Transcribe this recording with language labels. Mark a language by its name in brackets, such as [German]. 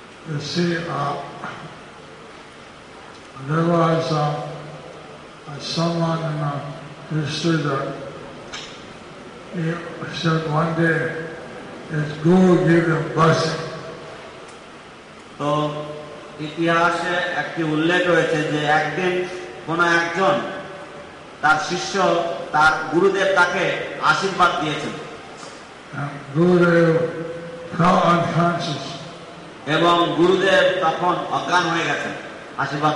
[English] You see, there was someone in history that he said one day, his guru gave him blessing. [Bangla] So, ইতিহাসে একটি উল্লেখ রয়েছে যে একদিন কোন একজন তার শিষ্য তার গুরুদেব তাকে আশীর্বাদ দিয়েছেন। [English] Gurudev fell unconscious. [Bangla] এবং গুরুদেব তখন অজ্ঞান হয়ে গেছেন আশীর্বাদ